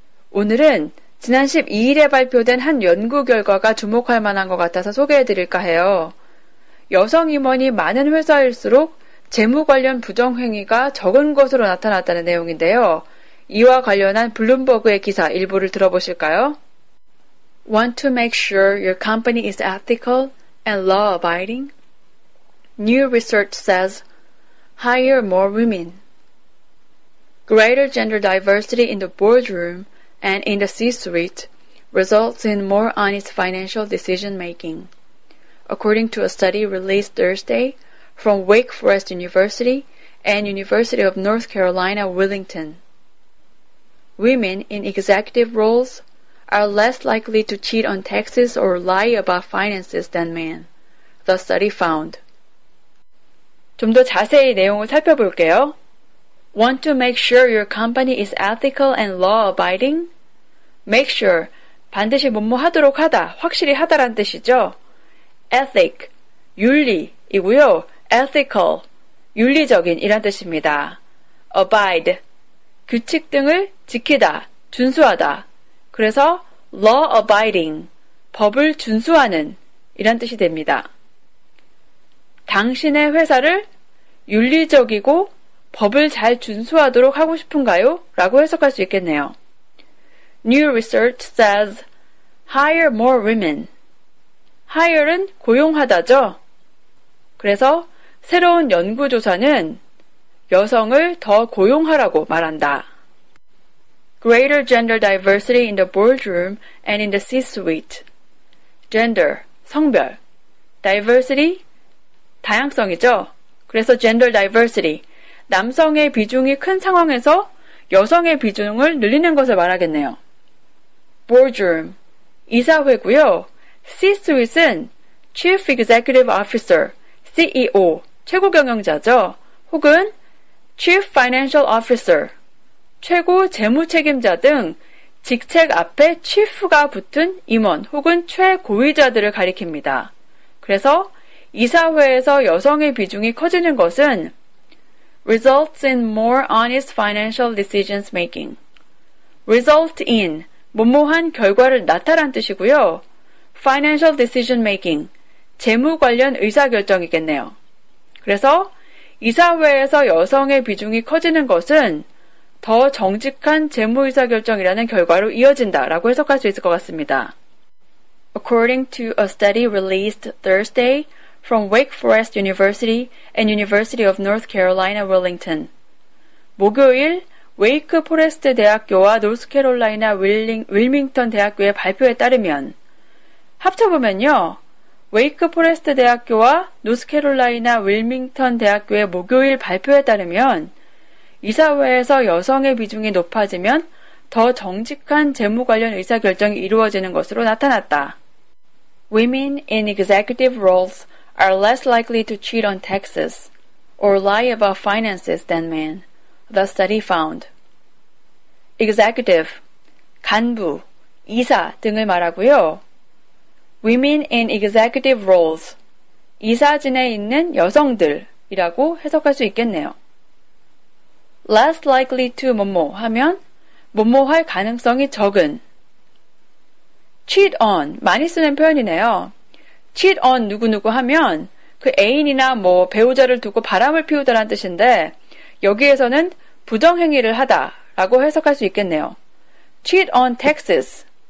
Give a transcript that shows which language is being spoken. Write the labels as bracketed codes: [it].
[ko] 오늘은 지난 12일에 발표된 한 연구 결과가 주목할 만한 것 같아서 소개해드릴까 해요. 여성 임원이 많은 회사일수록 재무 관련 부정행위가 적은 것으로 나타났다는 내용인데요. 이와 관련한 블룸버그의 기사 일부를 들어보실까요? [en] Want to make sure your company is ethical and law-abiding? New research says, hire more women. Greater gender diversity in the boardroom and in the C-suite results in more honest financial decision-making. According to a study released Thursday from Wake Forest University and University of North Carolina, Wilmington, women in executive roles are less likely to cheat on taxes or lie about finances than men, the study found. [ko] 좀 더 자세히 내용을 살펴볼게요. [en] Want to make sure your company is ethical and law-abiding? Make sure, [ko] 반드시 뭐뭐 하도록 하다, 확실히 하다란 뜻이죠. [en] Ethic, [ko] 윤리이고요. [en] Ethical, [ko] 윤리적인 이란 뜻입니다. Abide, 규칙 등을 지키다, 준수하다. 그래서 [en] law-abiding, [ko] 법을 준수하는 이란 뜻이 됩니다. 당신의 회사를 윤리적이고 법을 잘 준수하도록 하고 싶은가요? 라고 해석할 수 있겠네요. [en] New research says hire more women. Hire [ko] 은 고용하다죠. 그래서 새로운 연구조사는 여성을 더 고용하라고 말한다. [en] Greater gender diversity in the boardroom and in the C-suite. Gender, [ko] 성별. [en] Diversity, [ko] 다양성이죠. 그래서 [en] gender diversity, [ko] 남성의 비중이 큰 상황에서 여성의 비중을 늘리는 것을 말하겠네요. Boardroom, 이사회고요. [en] C-suite [ko] 은 [en] chief executive officer, [ko] CEO, 최고 경영자죠. 혹은 [en] chief financial officer, [ko] 최고 재무 책임자 등 직책 앞에 chief가 붙은 임원 혹은 최고위자들을 가리킵니다. 그래서 이사회에서 여성의 비중이 커지는 것은 [en] results in more honest financial decisions making. result in, [ko] 뭐뭐한 결과를 나타란 뜻이고요. [en] financial decision making, [ko] 재무 관련 의사결정이겠네요. 그래서 이사회에서 여성의 비중이 커지는 것은 더 정직한 재무 의사결정이라는 결과로 이어진다라고 해석할 수 있을 것 같습니다. [en] According to a study released Thursday, from Wake Forest University and University of North Carolina, Wilmington. [ko] 목요일, 웨이크 포레스트 대학교와 노스캐롤라이나 윌밍턴 대학교의 발표에 따르면 합쳐보면요. 웨이크 포레스트 대학교와 노스캐롤라이나 윌밍턴 대학교의 목요일 발표에 따르면 이사회에서 여성의 비중이 높아지면 더 정직한 재무 관련 의사결정이 이루어지는 것으로 나타났다. [en] Women in executive roles are less likely to cheat on taxes or lie about finances than men, the study found. [ko] Executive, 간부, 이사 등을 말하고요. [en] Women in executive roles, [ko] 이사진에 있는 여성들이라고 해석할 수 있겠네요. [en] Less likely to [ko] 뭐뭐 하면 뭐뭐 할 가능성이 적은. [en] Cheat on, 많이 쓰는 표현이네요. cheat on [ko] 누구누구 하면 그 애인이나 뭐 배우자를 두고 바람을 피우다란 뜻인데 여기에서는 부정행위를 하다라고 해석할 수 있겠네요. [en] cheat on taxes.